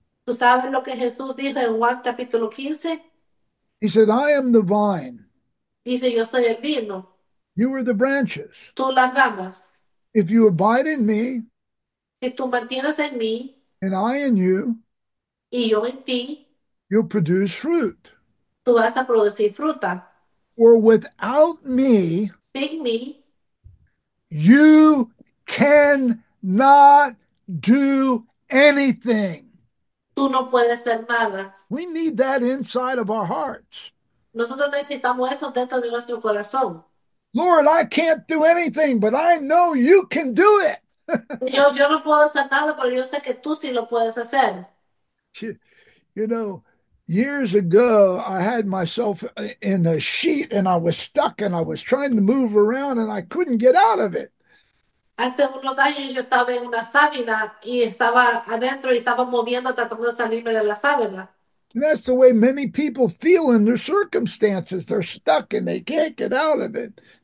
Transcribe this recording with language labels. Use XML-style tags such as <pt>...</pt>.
<es>¿Tú sabes lo que Jesús dijo en Juan capítulo 15?</es> <en>He said, I am the vine.</en> <es>Dice, yo soy el vino,</es> <en>You are the branches.</en> <es>tú las ramas.</es> <en>If you abide in me,</en> <es>Si tú mantienes en mí</es> <en>and I in you,</en> <es>y yo en ti,</es> <en>you'll produce fruit.</en> <es>tú vas a producir fruta.</es> <en>Or without me,</en> <es>Sin mí,</es> <en>you cannot do anything.</en> <es>tú no puedes hacer nada.</es> <en>We need that inside of our hearts.</en> <es>Nosotros necesitamos eso dentro de nuestro corazón.</es> <en>Lord, I can't do anything, but I know you can do it.</en> <es>Yo no puedo hacer nada, pero yo sé que tú sí lo puedes hacer.</es> <en>Years ago, I had myself in a sheet and I was stuck and I was trying to move around and I couldn't get out of it.</en> <es>Hace unos años yo estaba en una sábana y estaba adentro y estaba moviendo tratando de salirme de la sábana.</es> <en>And that's the way many people feel in their circumstances. They're stuck and they can't get out of it.</en>